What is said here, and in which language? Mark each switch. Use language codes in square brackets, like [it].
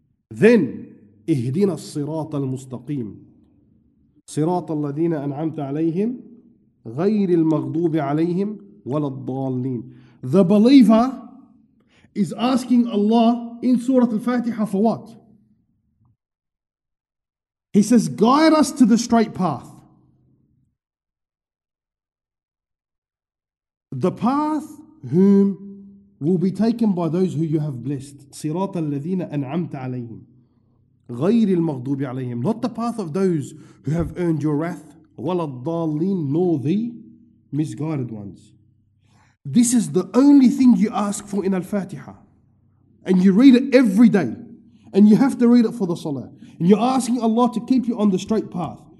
[ar] Then, اهدنا الصراط المستقيم صراط الذين أنعمت عليهم غير المغضوب عليهم ولا الضالين. [en] The believer is asking Allah in Surah Al-Fatiha for what? He says, guide us to the straight path. The path whom will be taken by those who you have blessed. [ar] صراط الذين أنعمت عليهم غير المغضوب عليهم. [en] Not the path of those who have earned your wrath. [ar] ولا الضالين, [en] nor the misguided ones. This is the only thing you ask for in Al-Fatiha. And you read it every day. And you have to read it for the salah. And you're asking Allah to keep you on the straight path.